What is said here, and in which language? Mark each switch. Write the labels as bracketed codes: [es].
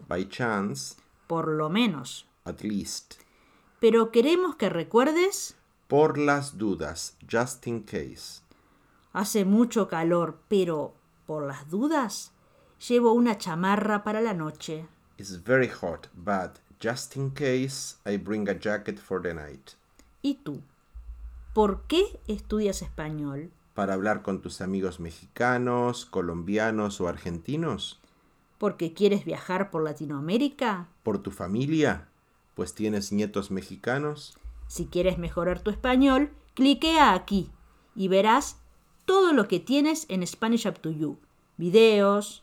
[en] by chance, [es] por lo menos. [en] at least. [es] Pero queremos que recuerdes. Por las dudas, [en] just in case. [es] Hace mucho calor, pero por las dudas, llevo una chamarra para la noche. [en] It's very hot, but just in case, I bring a jacket for the night. [es] ¿Y tú? ¿Por qué estudias español? Para hablar con tus amigos mexicanos, colombianos o argentinos. ¿Porque quieres viajar por Latinoamérica? Por tu familia, pues tienes nietos mexicanos. Si quieres mejorar tu español, cliquea aquí y verás todo lo que tienes en Spanish Up to You. Videos.